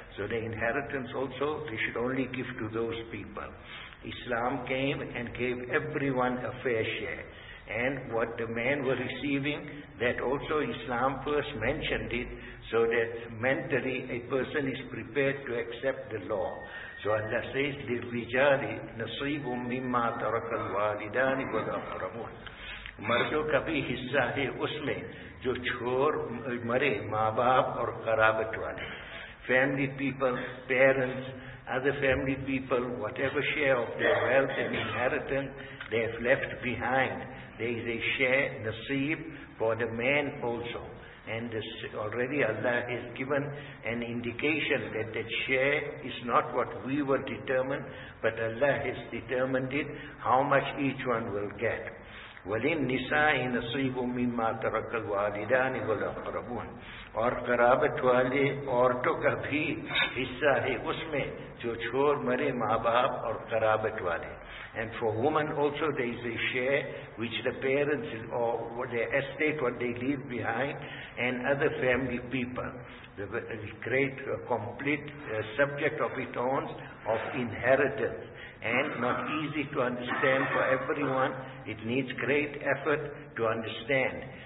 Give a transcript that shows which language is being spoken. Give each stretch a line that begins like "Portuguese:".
English: So the inheritance also, they should only give to those people. Islam came and gave everyone a fair share. And what the men were receiving, that also Islam first mentioned it, so that mentally a person is prepared to accept the law. So Allah says,
Arabic: لِلْرِجَالِ نَصِيبٌ مِمَّا تَرَكَ الْوَالِدَانِ وَالْأَقْرَبُونَ.
Urdu: مردوں کا بھی حصہ ہے اس میں جو چھوڑ مرے ماں باپ اور قرابت والے.
English: Family people, parents, other family people, whatever share of their wealth and inheritance they have left behind, there is a share, nasib, for the man also. And this already Allah has given an indication that that share is not what we were determined, but Allah has determined it, how much each one will get.
Arabic: وَلِن نِسَاءِ نَصِيبٌ مِمَّا تَرَكَ الْوَالِدَانِ وَالْأَقْرَبُونَ.
Urdu: اور قرابت والے عورتوں کا بھی حصہ ہے اس میں جو چھوڑ مرے ماں باپ اور قرابت والے.
English: And for women also there is a share which the parents or their estate what they leave behind and other family people. The great complete subject of its own of inheritance. And not easy to understand for everyone. It needs great effort to understand.